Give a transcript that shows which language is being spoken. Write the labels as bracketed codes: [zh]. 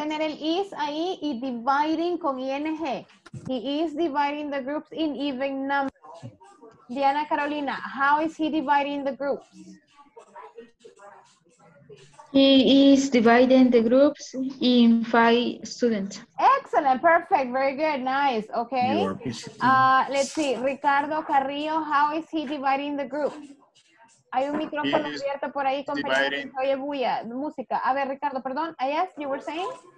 [es] tener el is ahí y dividing con ing. [en] He is dividing the groups in even numbers. Diana Carolina, how is he dividing the groups? He is dividing the groups in 5 students. Excellent, perfect, very good, nice, okay. Let's see, Ricardo Carrillo, how is he dividing the group? [es] Hay un micrófono abierto por ahí, compañero, oye bulla, música. A ver, [en] Ricardo, [es] perdón, [en] yes, you were saying?